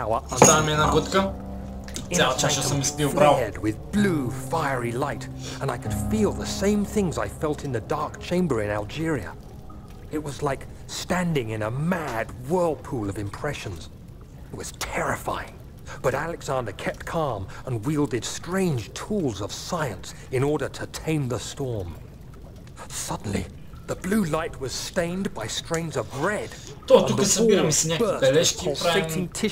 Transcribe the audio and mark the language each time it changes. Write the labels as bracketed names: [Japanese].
[Bulgarian] Оставаме една глътка. Цяла чаша съм изпил, браво. [English] Blue, fiery light, and I could feel the same things I felt in the dark chamber in Algeria. It was like standing in a mad whirlpool of impressions. It was terrifying. But Alexander kept calm and wielded strange tools of science in order to tame the storm. Suddenly, the blue light was stained by strains of red. [Bulgarian] То, тук събираме си някакви бележки, правим